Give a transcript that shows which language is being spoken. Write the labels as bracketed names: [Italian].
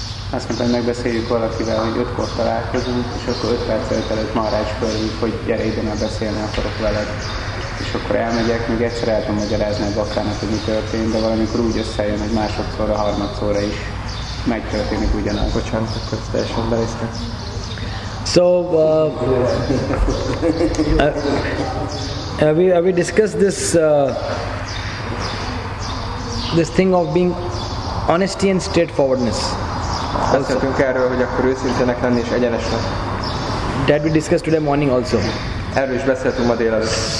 [Hungarian] Azt mondtam, hogy megbeszéljük valakivel, hogy 5-kor találkozunk, és akkor 5 perc előtt Maharaj fölhív, hogy gyere ide, mert beszélni akarok veled. És akkor elmegyek, még egyszer el tudom magyarázni a bakrának, hogy mi történt, de valamikor úgy összejön, hogy másodszorra, harmadszorra is megtörténik ugyanaz. Bocsánat, akkor ezt teljesen beléztem. [English] So, we discussed this thing of being honesty and straightforwardness. [Hungarian] Beszéltünk erről, hogy akkor őszintenek lenni és egyenesnek. [English] That we discussed today morning also. [Hungarian] Erről is beszéltünk ma délelőtt.